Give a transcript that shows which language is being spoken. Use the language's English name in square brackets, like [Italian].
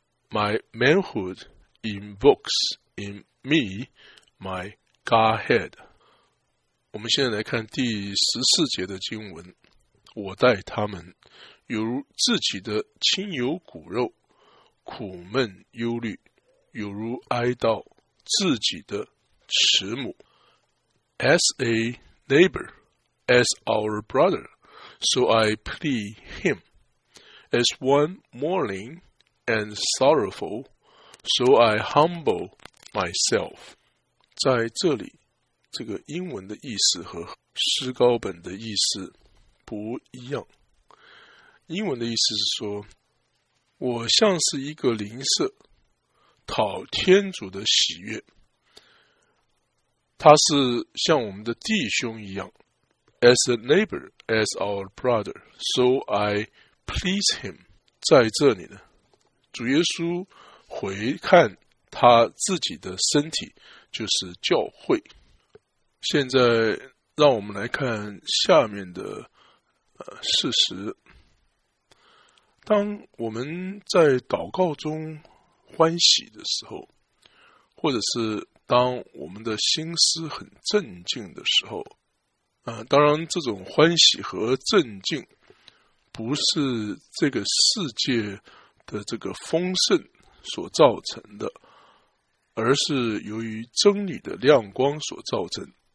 [English] My manhood invokes in me my Godhead。 [Chinese] 我们现在来看第十四节的经文：我待他们犹如自己的亲友骨肉，苦闷忧虑犹如哀悼自己的慈母。 [English] As a neighbor, as our brother, so I plead him. As one mourning and sorrowful, so I humble myself. [Chinese] 在这里，这个英文的意思和诗高本的意思不一样。英文的意思是说，我像是一个邻舍，讨天主的喜悦，他是像我们的弟兄一样。 [English] As a neighbor, as our brother, so I please him. [Chinese] 在这里呢，主耶稣回看他自己的身体，就是教会。现在让我们来看下面的事实。当我们在祷告中欢喜的时候，或者是当我们的心思很镇静的时候当然这种欢喜和镇静不是这个世界的这个丰盛所造成的，而是由于真理的亮光所造成。